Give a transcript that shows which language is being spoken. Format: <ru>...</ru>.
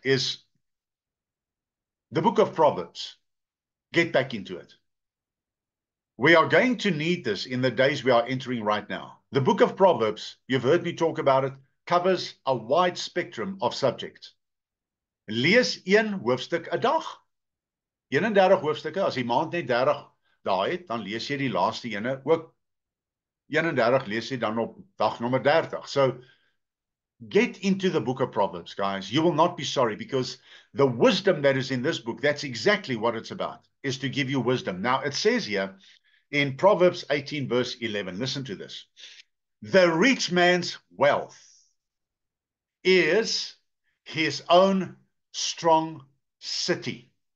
<en>Is the book of Proverbs. Get back into it. We are going to need this in the days we are entering right now. The book of Proverbs, you've heard me talk about it, covers a wide spectrum of subjects.</en> <af>Lees een hoofstuk 'n dag. 31 hoofstukke, as die maand net 30 daai het, dan lees jy die laaste ene ook. 31 lees jy dan op dag nommer 30.</af> <en>So, get into the book of Proverbs, guys. You will not be sorry, because the wisdom that is in this book, that's exactly what it's about, is to give you wisdom. Now, it says here, in Proverbs 18, verse 11. Listen to this. The rich man's wealth is his own strong city.</en>